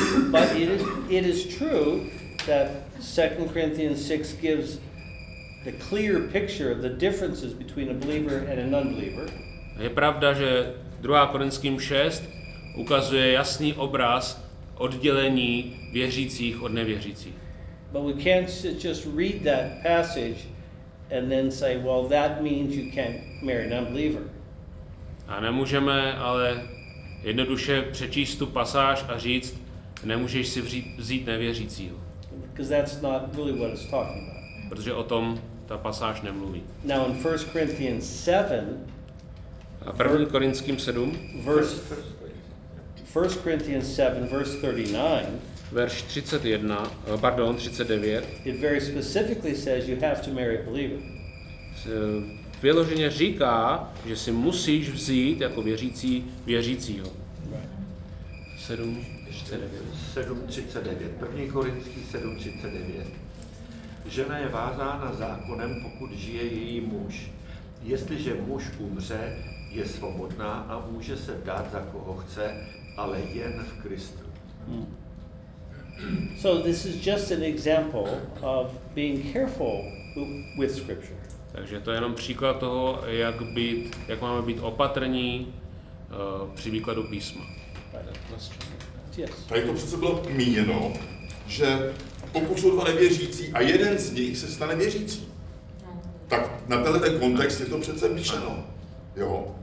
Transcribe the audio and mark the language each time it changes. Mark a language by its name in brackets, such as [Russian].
[English] But it is true that 2 Corinthians 6 gives the clear picture of the differences between a believer and an unbeliever. [Czech] Je pravda, že 2. Korinským 6 ukazuje jasný obraz oddělení věřících od nevěřících. [English] But we can't just read that passage and then say, well, that means you can't marry an unbeliever. [Czech] A nemůžeme ale jednoduše přečíst tu pasáž a říct, nemůžeš si vzít nevěřícího. [English] Because that's not really what it's talking about. [Czech] Protože o tom ta pasáž nemluví. [English] Now in 1 Corinthians 7, [Czech] a 1. Korinským 7, [English] verse 1 Corinthians 7, verse 39. [Czech] Verš 39. [English] It very specifically says you have to marry a believer. [Czech] V vyloženě říká, že si musíš vzít jako věřící věřícího. 7:39. 1. Korintský 7:39. Žena je vázána zákonem, pokud žije její muž. Jestliže muž umře, je svobodná a může se dát za koho chce, ale jen v Kristu. Hmm. [English] So this is just an example of being careful with scripture. [Czech] Takže to je jenom příklad toho, jak být, jak máme být opatrní při výkladu písma. A je to přece bylo míněno, že pokud jsou dva nevěřící a jeden z nich se stane věřící, tak na tenhle kontext je to přece myšleno. Jo?